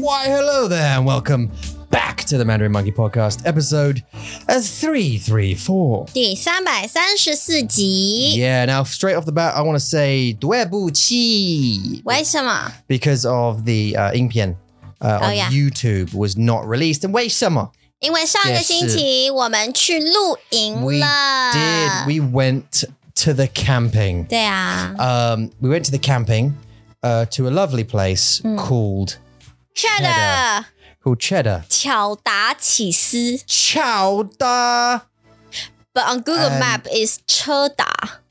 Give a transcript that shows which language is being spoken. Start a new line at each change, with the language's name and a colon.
English: Why, hello there, and welcome back to the Mandarin Monkey Podcast, episode 334.
Chinese: 第334集。
English: Yeah, now straight off the bat, I want to say
Chinese: 对不起。为什么?
English: Because of the 影片on YouTube was not released.
Chinese: And 为什么? 因为上个星期我们去露营了。
English: We did. We went to the camping.
Chinese: 对啊。
English: We went to the camping, to a lovely place called Cheddar. Called Cheddar.
Chinese: 巧达起司。巧达。
English: But on Google Map is 车达。